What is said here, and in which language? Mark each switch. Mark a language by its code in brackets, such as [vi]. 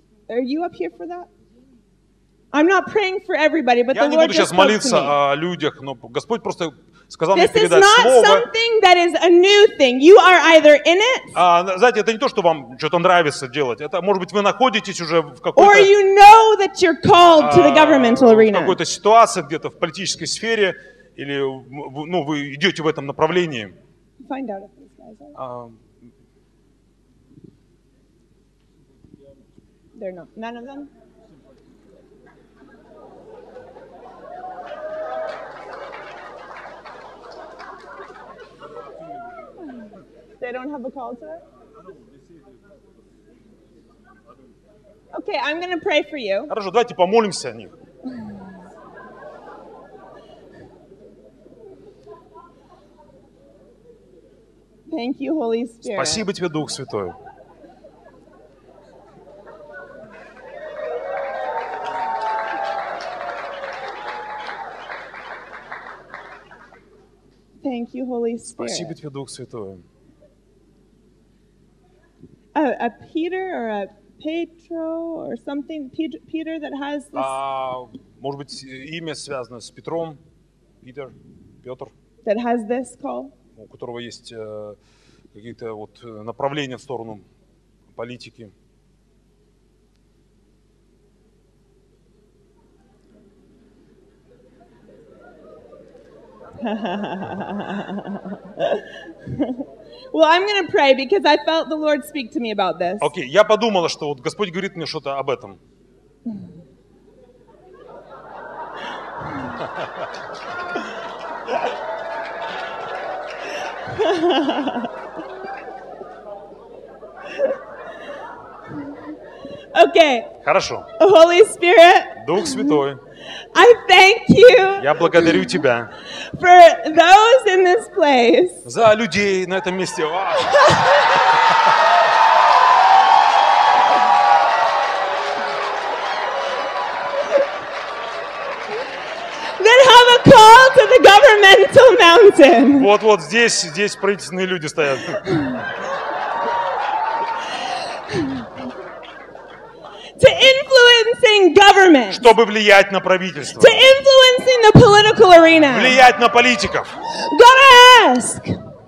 [en] Are you up here for that? I'm not praying for everybody, but [ru] я [en] the Lord [ru] не буду сейчас молиться о людях, но Господь просто сказал мне передать слово. [en] Is a new thing. You are either in it, [ru] знаете, это не то, что вам что-то нравится делать. Это, может быть, вы находитесь уже в какой-то, [en] or you know that you're called to the governmental arena. [ru] В какой-то ситуации где-то в политической сфере или ну, вы идете в этом направлении. [en] Find out if they're not. None of them. They don't have a call to it? Okay, I'm going to pray for you. [ru] Хорошо, давайте помолимся о них. [en] Thank you, Holy Spirit. [ru] Спасибо тебе, Дух Святой. [en] Thank you, Holy Spirit. [ru] Спасибо тебе, Дух Святой. [en] A Peter or a Petro or something, Peter that has this... [ru] Может быть, имя связано с Петром, Питер, Петр. [en] That has this call. [ru] У которого есть какие-то вот направления в сторону политики. [en] Well, I'm going to pray because I felt the Lord speak to me about this. [ru] Okay, я подумала, что вот Господь говорит мне что-то об этом. [en] Okay. [ru] Хорошо. [en] Holy Spirit. [ru] Дух Святой. [en] I thank you. [ru] Я благодарю тебя. [en] For those in this place. [ru] За людей на этом месте. [en] That have a call to the governmental mountain. [ru] Вот-вот здесь правительственные люди стоят. [en] To influencing government. [ru] Чтобы влиять на правительство. [en] To influencing the political arena. [ru] Влиять на политиков. [en] God, I ask.